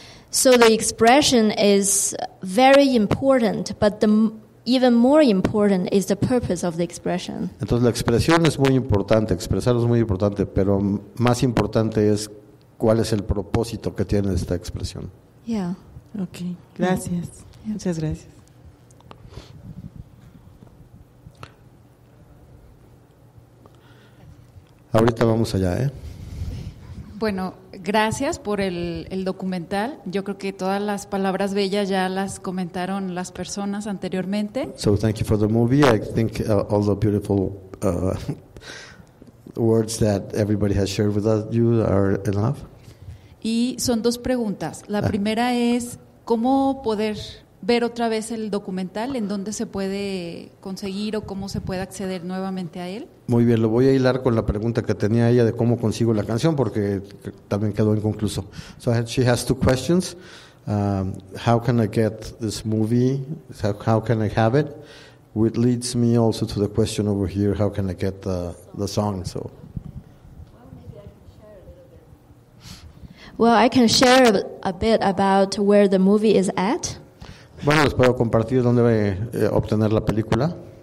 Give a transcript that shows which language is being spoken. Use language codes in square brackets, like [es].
[en] So the expression is very important, but the even more important is the purpose of the expression. [es] Entonces la expresión es muy importante, expresar es muy importante, pero más importante es cuál es el propósito que tiene esta expresión. [en] Yeah. [es] Okay. Gracias. Yeah. Muchas gracias. Ahorita vamos allá, ¿eh? Bueno, gracias por el documental. Yo creo que todas las palabras bellas ya las comentaron las personas anteriormente. [en] So thank you for the movie. I think all the beautiful words that everybody has shared with you are enough. [es] Y son dos preguntas. La primera es, ¿cómo poder ver otra vez el documental? ¿En dónde se puede conseguir o cómo se puede acceder nuevamente a él? Muy bien, lo voy a hilar con la pregunta que tenía ella de cómo consigo la canción, porque también quedó inconcluso. [en] So she has two questions. How can I get this movie? How can I have it? Which leads me also to the question over here, how can I get the song? So. Well, I can share a bit about where the movie is at. [es] Bueno, les puedo compartir dónde voy a obtener la película.